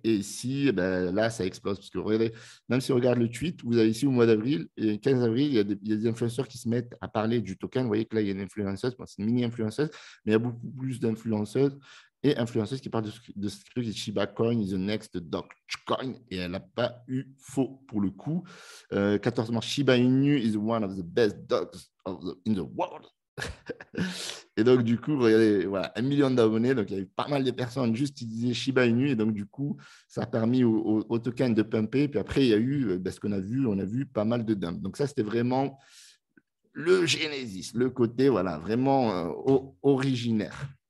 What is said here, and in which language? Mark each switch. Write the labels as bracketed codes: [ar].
[fr] Et ici, eh ben, là, ça explose, parce que regardez, même si on regarde le tweet, vous avez ici au mois d'avril, et 15 avril, il y a des influenceurs qui se mettent à parler du token. Vous voyez que là, il y a une influenceuse, bon, c'est une mini-influenceuse, mais il y a beaucoup plus d'influenceuses. Et influenceuse qui parle de ce truc, [en] Shiba Coin is the next Dogecoin. [fr] Et elle n'a pas eu faux pour le coup. [en] 14 mars, Shiba Inu is one of the best dogs in the world. [fr] Et donc, du coup, regardez, voilà, 1 million d'abonnés. Donc, il y a eu pas mal de personnes juste qui disaient Shiba Inu. Et donc, du coup, ça a permis au token de pumper. Puis après, il y a eu ben, ce qu'on a vu. On a vu pas mal de dumps. Donc, ça, c'était vraiment le Genesis, le côté voilà, vraiment originaire.